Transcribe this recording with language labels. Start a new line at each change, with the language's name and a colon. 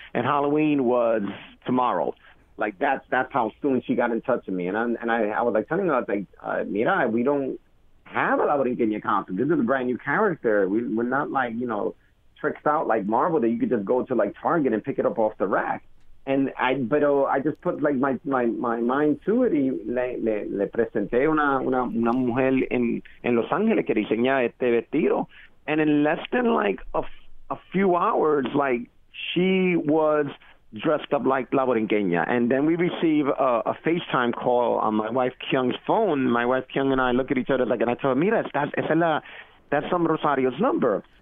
English: And Halloween was tomorrow. Like, that's how soon she got in touch with me. And I was like telling her, I was like, mira, we don't have a La Borinqueña costume. This is a brand new character. We're not like, you know, tricked out like Marvel that you could just go to like Target and pick it up off the rack. And I just put like my mind to it.
Spanish: Y le presenté una mujer en Los Ángeles que diseña este vestido.
English: And in less than like a few hours, like she was dressed up like La Borinqueña. And then we receive a FaceTime call on my wife Kyung's phone. My wife Kyung and I look at each other like, and I tell her, mira, that's some Rosario's number.